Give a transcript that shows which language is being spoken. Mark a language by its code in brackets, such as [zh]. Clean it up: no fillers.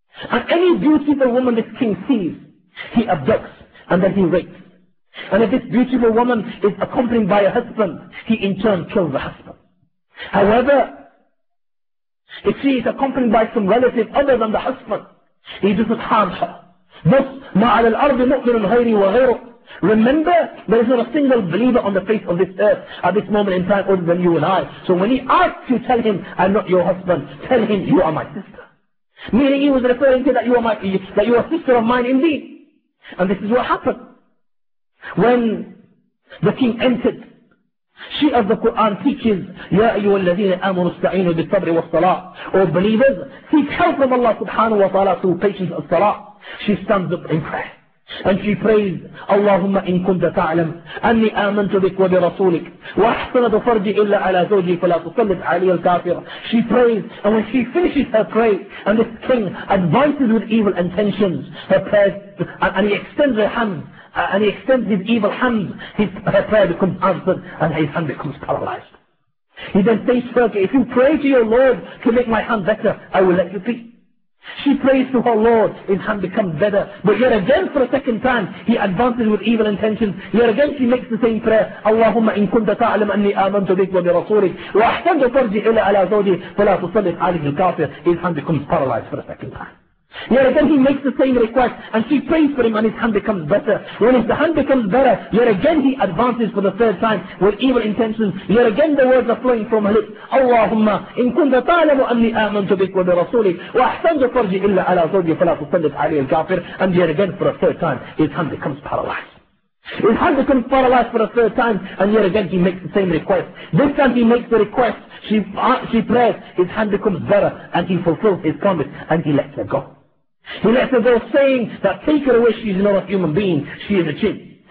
[en] And any beautiful woman this king sees, he abducts and then he rapes. And if this beautiful woman is accompanied by a husband, he in turn kills the husband. However, if she is accompanied by some relative other than the husband, he doesn't harm her. Thus, [ar] ما على الأرض مؤمن غيري وغيره. [en] Remember, there is not a single believer on the face of this earth at this moment in time other than you and I. So when he asks you, tell him, I'm not your husband. Tell him, you are my sister. Meaning he was referring to that you are a sister of mine indeed. And this is what happened. When the king entered, she of the Quran teaches, [ar] يَا أَيُّوَ الَّذِينَ آمُنُوا اسْتَعِينُوا بِالصَّبْرِ وَالصَّلَاةِ. [en] O believers, seek help from Allah subhanahu wa ta'ala through patience and salah. She stands up in prayer. And she prays, [ar] اللهم إن كنت تعلم أني آمنت بك وبرسولك وأحسنت فرجي إلا على زوجي فلا تسلط علي الكافر. [en] She prays, and when she finishes her prayer, and this king advances with evil intentions, her prayers, and he extends her hand, and he extends his evil hand, her prayer becomes answered, and his hand becomes paralyzed. He then says to her, if you pray to your Lord to make my hand better, I will let you be. She prays to her Lord, his hand becomes better. But yet again, for a second time, he advances with evil intentions. Yet again, she makes the same prayer. [ar] اللهم إن كنت تعلم أني آمنت بك وبرسولك وأحسنت فرجي إلى على زوجي فلا تسلط عليه الكافر. [en] His hand becomes paralyzed for a second time. Yet again, he makes the same request, and she prays for him, and his hand becomes better. When his hand becomes better, yet again he advances for the third time with evil intentions. Yet again, the words are flowing from her lips. [ar] اللهم إن كنت تعلم أني آمنت بك وبرسولك وأحسنت فرجي إلا على زوجي فلا تسلط علي الكافر. [en] And yet again, for a third time, his hand becomes paralyzed. It's hard to come for life for a third time, and yet again he makes the same request. This time he makes the request, she prays, his hand becomes better, and he fulfills his promise, and he lets her go. He lets her go, saying that take her away, she's not a human being, she is a jinn.